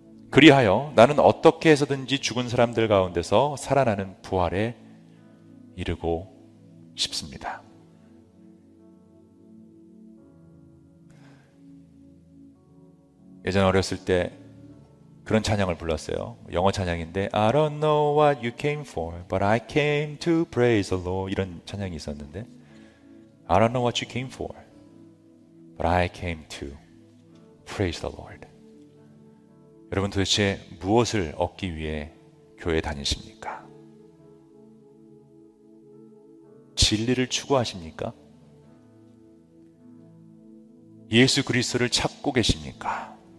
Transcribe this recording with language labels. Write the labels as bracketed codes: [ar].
[ko] 그리하여 나는 어떻게 해서든지 죽은 사람들 가운데서 살아나는 부활에 이르고 싶습니다. 예전 어렸을 때 그런 찬양을 불렀어요. 영어 찬양인데 [en] I don't know what you came for, but I came to praise the Lord. [ko] 이런 찬양이 있었는데 [en] I don't know what you came for, but I came to praise the Lord. [ko] 여러분 도대체 무엇을 얻기 위해 교회에 다니십니까? 진리를 추구하십니까? 예수 그리스도를 찾고 계십니까?